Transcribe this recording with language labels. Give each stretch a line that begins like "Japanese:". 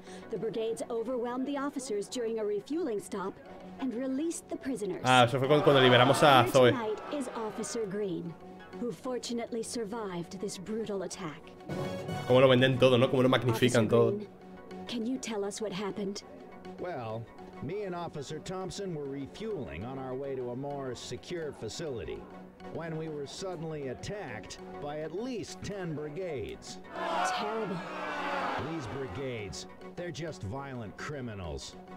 English: The brigades overwhelmed the officers during a refueling stop and released the prisoners.
Spanish: Ah, eso fue cuando liberamos a Zoe.
English: Tonight is Officer Green, who fortunately survived this brutal attack.
Spanish: Cómo lo venden todo, ¿no? Cómo lo magnifican todo.
English: Can you tell us what happened? Well, me and Officer Thompson were refueling on our way to a more secure facility. When we were suddenly attacked by at least 10 brigades. Terrible. These brigades They're just violent criminals.